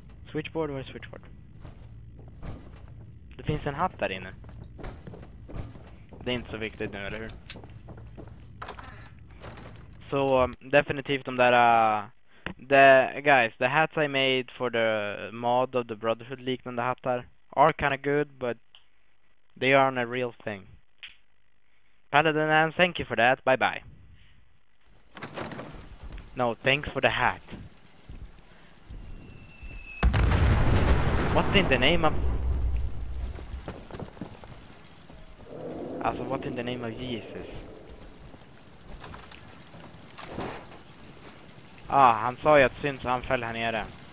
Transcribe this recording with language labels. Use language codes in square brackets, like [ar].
[sv] Switchboard, var är switchboard? Det finns en hatt där inne. Det är inte så viktigt nu, eller hur? Så, definitivt de där... [en] The guys, the hats I made for the mod of the Brotherhood [sv] liknande hattar [en] are kind of good, but they aren't a real thing. Paladin Ann, thank you for that. Bye bye. No, thanks for the hat. What's in the name of? Also, what in the name of Jesus? [sv] Ah, han sa ju att syns han föll här nere.